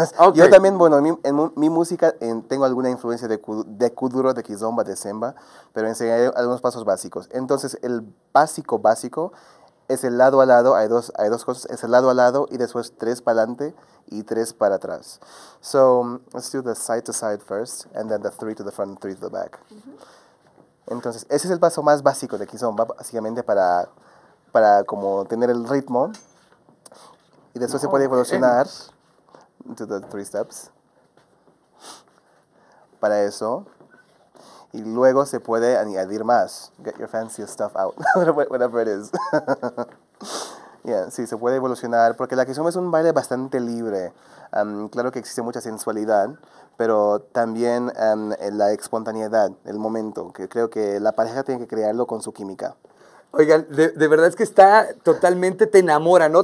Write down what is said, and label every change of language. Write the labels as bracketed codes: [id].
[es] Okay. Yo también, bueno, en mi música tengo alguna influencia de Kuduro, de Kizomba, de Semba, pero enseñaré algunos pasos básicos. Entonces, el básico es el lado a lado, hay dos cosas, es el lado a lado y después tres para adelante y tres para atrás. [en] So, let's do the side to side first, and then the three to the front, three to the back. [es] Entonces, ese es el paso más básico de Kizomba, básicamente para como tener el ritmo. Y después se puede evolucionar [en] into the three steps. [es] Para eso. Y luego se puede añadir más. [en] Get your fanciest stuff out, whatever it is. [es] Yeah, sí, se puede evolucionar, porque la Kizomba es un baile bastante libre. Claro que existe mucha sensualidad, pero también la espontaneidad, el momento, que creo que la pareja tiene que crearlo con su química. Oigan, de verdad es que está totalmente, te enamora, ¿no?